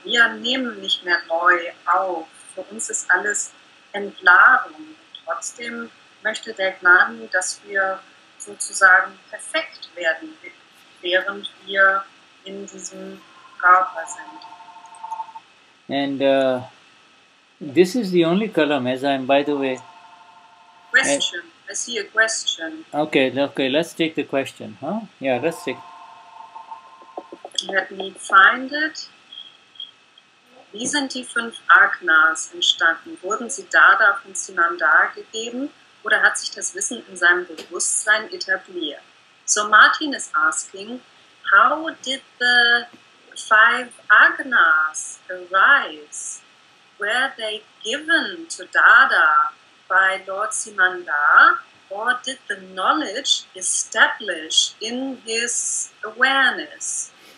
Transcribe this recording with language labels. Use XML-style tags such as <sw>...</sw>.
<de>Wir nehmen nicht mehr neu auf. Für uns ist alles Entladung. Trotzdem möchte der Gnani, dass wir sozusagen perfekt werden, während wir in diesem Körper sind.</de> <en>This is the only column, as I am, by the way. Question. I see a question. Okay, let's take the question, huh? Yeah, let's take it. Let me find it.</en> <de>Wie sind die fünf Agnas entstanden? Wurden sie Dada von Simandar gegeben? Oder hat sich das Wissen in seinem Bewusstsein etabliert?</de> <en>So Martin is asking, how did the five Agnas arise? Were they given to Dada by Lord Simandar, or did the knowledge establish in his awareness?</en>